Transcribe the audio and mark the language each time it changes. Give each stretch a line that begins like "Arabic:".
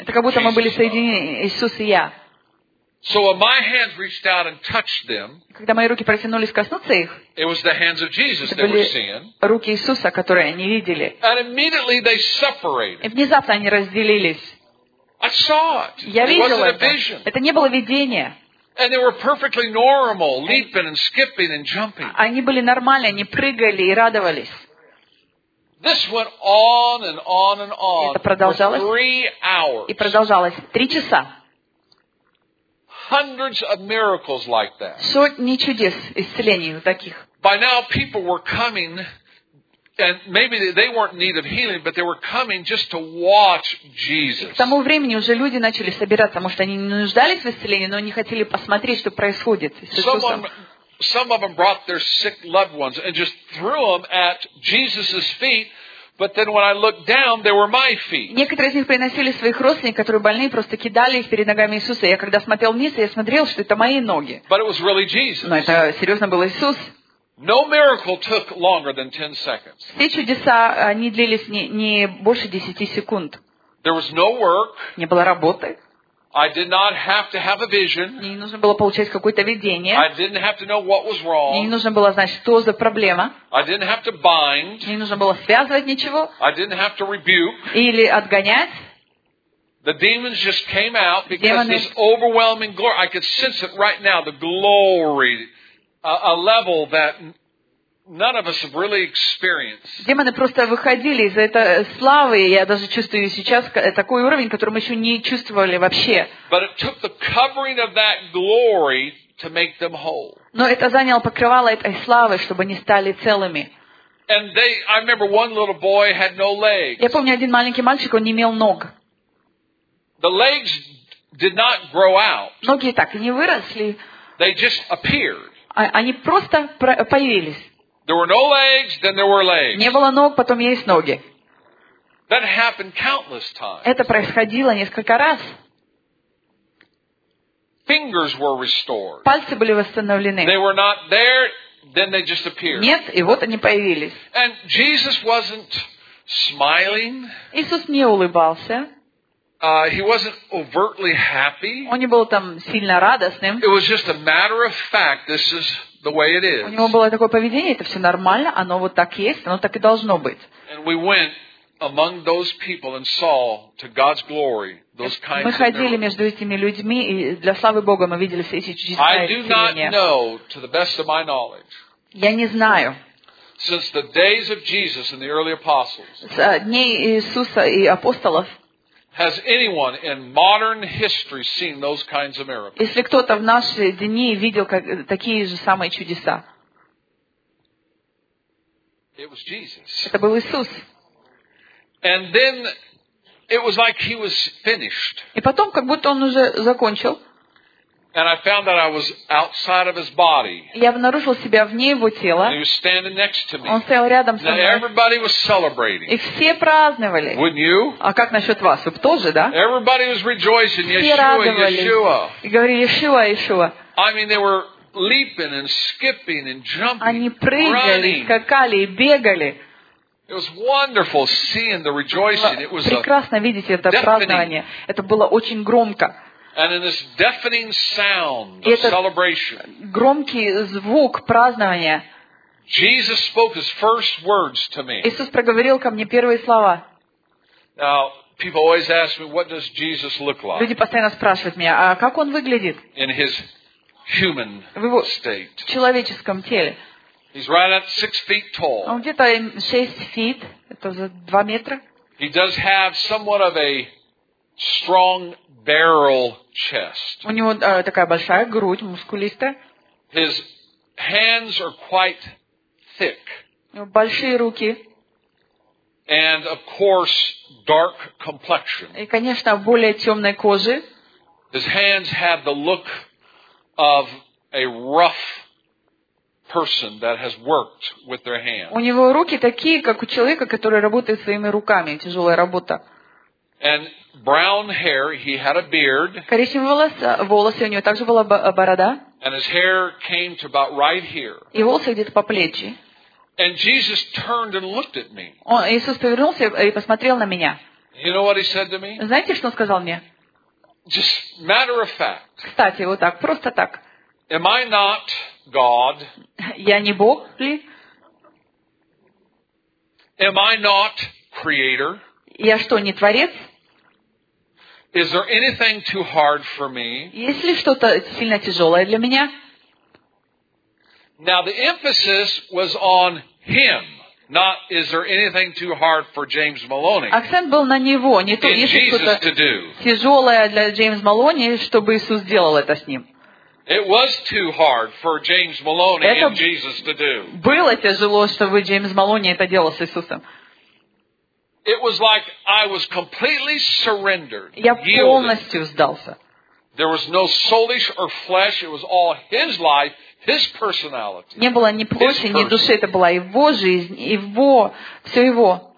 Russian: Это как будто мы были соединены, Иисус и я.
English: So when my hands reached out and touched them,
Russian: когда мои руки протянулись коснуться их,
English: it was the hands of Jesus they were seeing.
Russian: Руки Иисуса, которые они видели.
English: And immediately they separated.
Russian: И внезапно они разделились.
English: I saw it.
Russian: Я видел это.
English: It wasn't a vision.
Russian: Это не было видение.
English: And they were perfectly normal, leaping and skipping and jumping.
Russian: Они были нормальны, они прыгали и радовались.
English: This went on and on and on.
Russian: Это продолжалось.
English: For 3 hours.
Russian: И продолжалось 3 часа.
English: Hundreds of miracles like that.
Russian: Сотни чудес исцелений таких.
English: By now people were coming, and maybe they weren't in need of healing, but they were coming just to watch Jesus.
Russian: К тому времени уже люди начали собираться, может, они не нуждались в исцелении, но они хотели посмотреть, что происходит с Иисусом.
English: Some of them brought their sick loved ones and just threw them at Jesus' feet. But then when I looked down, they were my feet.
Russian: Некоторые из них приносили своих родственников, которые больные, просто кидали их перед ногами Иисуса. Я когда смотрел вниз, я смотрел, что это мои ноги.
English: But it was really Jesus.
Russian: Но это серьезно был Иисус.
English: No miracle took longer than 10 seconds.
Russian: Все чудеса не длились не больше 10 секунд.
English: There was no work.
Russian: Не было работы.
English: I did not have to have a vision.
Russian: Мне не нужно было получать какое-то видение.
English: I didn't have to know what was wrong.
Russian: Мне не нужно было знать, что за проблема.
English: I didn't have to bind.
Russian: Мне не нужно было связывать ничего.
English: I didn't have to rebuke.
Russian: Или отгонять.
English: The demons just came out because demons... this overwhelming glory. I could sense it right now. The glory, a level that none of us have really experienced.
Russian: Демоны просто выходили из этой славы. Я даже чувствую сейчас такой уровень, который мы еще не чувствовали вообще.
English: But it took the covering of that glory to make them whole.
Russian: Но это заняло покрывало этой славы, чтобы они стали целыми.
English: And they, I remember one little boy had no legs.
Russian: Я помню один маленький мальчик, он не имел ног.
English: The legs did not grow out.
Russian: Ноги так и не выросли.
English: They just appeared.
Russian: Они просто появились.
English: There were no legs, then there were legs.
Russian: Не было ног, потом есть ноги.
English: That happened countless times.
Russian: Это происходило несколько раз.
English: Fingers were restored.
Russian: Пальцы были восстановлены.
English: They were not there, then they just appeared.
Russian: Нет, и вот они появились.
English: And Jesus wasn't smiling.
Russian: Иисус не улыбался.
English: He wasn't overtly happy.
Russian: Он не был там сильно радостным.
English: It was just a matter of fact. This is the way it is.
Russian: У него было такое поведение, это все нормально, оно вот так есть, оно так и должно быть.
English: And we went among those people and saw to God's glory those kinds of
Russian: Мы ходили между этими людьми и для славы Бога мы видели все эти чудеса.
English: I do not know, to the best of my knowledge.
Russian: Я не знаю.
English: Since the days of Jesus and the early apostles.
Russian: С дней Иисуса и апостолов.
English: Has anyone in modern history seen those kinds of miracles?
Russian: Если кто-то в наши дни видел такие же самые чудеса?
English: It was Jesus.
Russian: Это был Иисус.
English: And then it was like he was finished.
Russian: И потом, как будто он уже закончил.
English: And I found that I was outside of his body.
Russian: Я обнаружил себя вне его тела.
English: And he was standing next to me.
Russian: Он стоял рядом со мной.
English: And everybody was celebrating.
Russian: И все праздновали.
English: Wouldn't you?
Russian: А как насчет вас? Вы тоже, да?
English: Everybody was rejoicing. Yeshua, Yeshua.
Russian: И говорили Yeshua, Yeshua.
English: I mean, they were leaping and skipping and jumping.
Russian: Они прыгали, скакали и бегали.
English: It was wonderful seeing the rejoicing. It was
Russian: прекрасно видеть это празднование. Это было очень громко.
English: And in this deafening sound of celebration,
Russian: громкий звук празднования,
English: Jesus spoke his first words to me.
Russian: Иисус проговорил ко мне первые слова.
English: Now, people always ask me, what does Jesus look like?
Russian: Люди постоянно спрашивают меня, а как он выглядит?
English: In his human state.
Russian: В человеческом теле.
English: He's right at 6 feet tall.
Russian: Он где-то 6 feet, это за 2 метра.
English: He does have somewhat of a strong barrel chest.
Russian: У него такая большая грудь, мускулистая.
English: His hands are quite thick.
Russian: Большие руки.
English: And of course, dark complexion.
Russian: И, конечно, более темной кожи.
English: His hands have the look of a rough person that has worked with their hands.
Russian: У него руки такие, как у человека, который работает своими руками, тяжелая работа.
English: And brown hair, he had a beard.
Russian: Коричневые волосы, у него также была борода.
English: And his hair came to about right here.
Russian: И волосы где-то по плечи.
English: And Jesus turned and looked at me.
Russian: Иисус повернулся и посмотрел на меня.
English: You know what he said to me?
Russian: Знаете, что он сказал мне?
English: Just matter of fact.
Russian: Кстати, вот так, просто так.
English: Am I not God?
Russian: Я не Бог ли?
English: Am I not Creator?
Russian: Я что, не творец?
English: Is there anything too hard for me?
Russian: Есть ли что-то сильно тяжелое для меня?
English: Now the emphasis was on him, not is there anything too hard for James Maloney?
Russian: Акцент был на него, не то, есть что-то тяжелое для Джеймса Малони, чтобы Иисус сделал это с ним.
English: It was too hard for James Maloney and Jesus to do.
Russian: Было тяжело, чтобы Джеймс Малони это делал с Иисусом.
English: It was like I was completely surrendered.
Russian: Я полностью сдался.
English: There was no soulish or flesh. It was all his life, his personality.
Russian: Не было ни плоти, ни души. Это была его жизнь, его, все его.